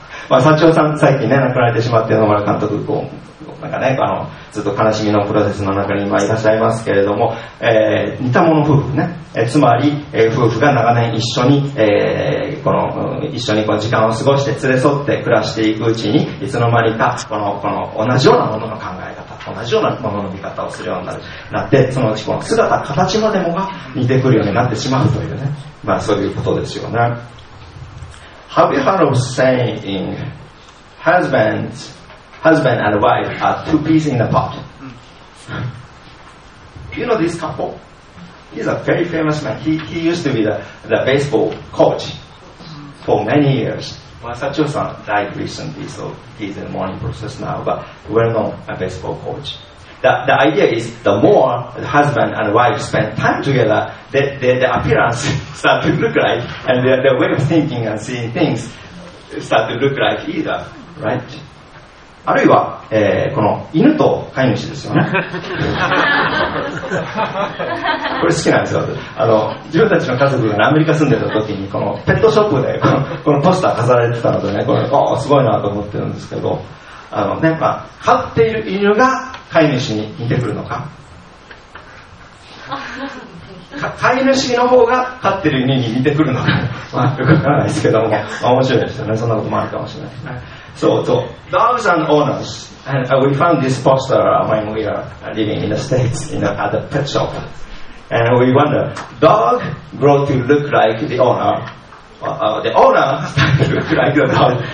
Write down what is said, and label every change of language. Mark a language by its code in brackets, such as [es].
[ja] まあ、社長さん最近ね亡くなられてしまって野村監督こうなんかねあのずっと悲しみのプロセスの中に今いらっしゃいますけれども、似た者夫婦ね、つまり、夫婦が長年一緒に、この一緒にこう時間を過ごして連れ添って暮らしていくうちにいつの間にかこの同じようなものの考え方同じようなものの見方をするようになってそのうちこの姿形までもが似てくるようになってしまうというね、まあ、そういうことですよね。 [en] Have you heard of saying husband and wife are two peas in a pod? You know this couple? He's a very famous man. He used to be the baseball coach for many years. Masacho-san died recently, so he's in the mourning process now, but well-known baseball coach. The idea is the more the husband and wife spend time together, the appearance start to look like, and their way of thinking and seeing things start to look like either, right? [ja] あるいは、この犬と飼い主ですよね。これ好きなんですよ。自分たちの家族がアメリカ住んでた時にこのペットショップでこのポスター飾られてたのでね、これおすごいなと思ってるんですけど、ね、まあ、飼っている犬が飼い主に似てくるのか、飼い主の方が飼ってる犬に似てくるのか、まあ、よくわからないですけども、まあ、面白いですよね。そんなこともあるかもしれないですね。 [en] So dogs and owners, and we found this poster when we are living in the States, you know, at the pet shop. And we wonder, dog grow to look like the owner, the owner to look like the dog.